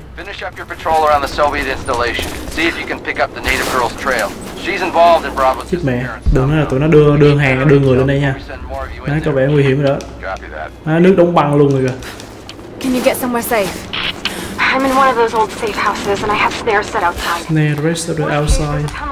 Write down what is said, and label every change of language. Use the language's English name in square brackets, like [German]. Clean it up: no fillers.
[English] Finish up your patrol around the Soviet installation. See if you can pick up the native girl's trail. She's involved in Bravo's. [Vietnamese] Chết mẹ. Đừng nói là tụi nó đưa hàng, đưa người lên đây nha. Nó có vẻ nguy hiểm rồi đó. À, nước đóng băng luôn rồi kìa. [English] Can you get somewhere safe? I'm in one of those old safe houses and I have snares set outside. Snare rest of the outside.